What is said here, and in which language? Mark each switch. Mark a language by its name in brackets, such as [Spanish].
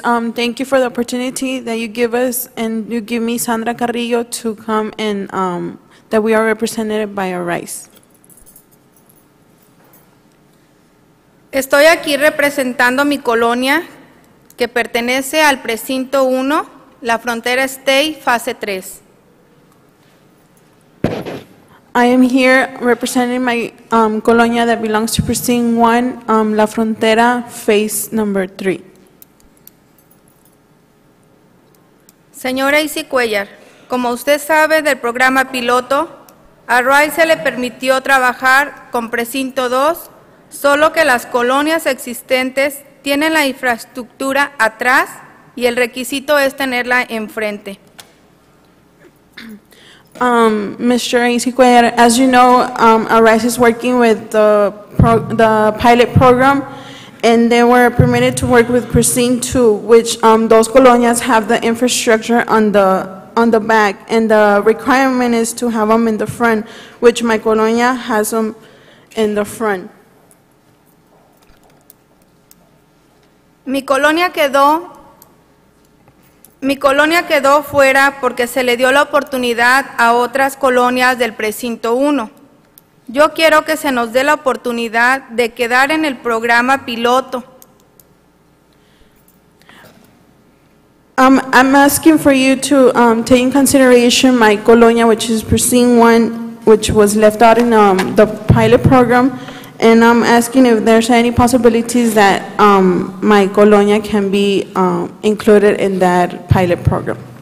[English] Thank you for the opportunity that you give us and you give me, Sandra Carrillo, to come and that we are represented by Arise. [Spanish] Estoy aquí representando mi colonia que pertenece al precinto 1, la frontera State fase 3. [English] I am here representing my colonia that belongs to precinct 1, la frontera phase number 3. [Spanish] Señora Isi Cuellar, como usted sabe del programa piloto, a Arise se le permitió trabajar con Precinto 2, solo que las colonias existentes tienen la infraestructura atrás y el requisito es tenerla enfrente. [English] Mr. Isiquier, as you know, Arise is working with the pilot program, and they were permitted to work with Precinct 2, which those colonias have the infrastructure on the back, and the requirement is to have them in the front, which my colonia has them in the front. [Spanish] Mi colonia quedó fuera porque se le dio la oportunidad a otras colonias del precinto 1. Yo quiero que se nos dé la oportunidad de quedar en el programa piloto. [English] I'm asking for you to take in consideration my colonia, which is precinct 1, which was left out in the pilot program, and I'm asking if there's any possibilities that my colonia can be included in that pilot program.